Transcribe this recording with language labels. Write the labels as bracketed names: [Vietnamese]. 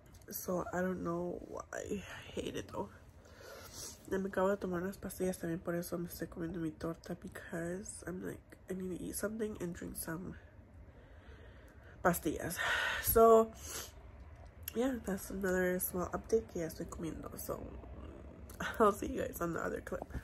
[English] So I don't know why I hate it though. [Spanish] Me acabo de tomar unas pastillas también, por eso me estoy comiendo mi torta. [English] Because I'm like, I need to eat something and drink some pastillas. So, yeah, that's another small update [Spanish] que ya estoy comiendo. [English] So, I'll see you guys on the other clip.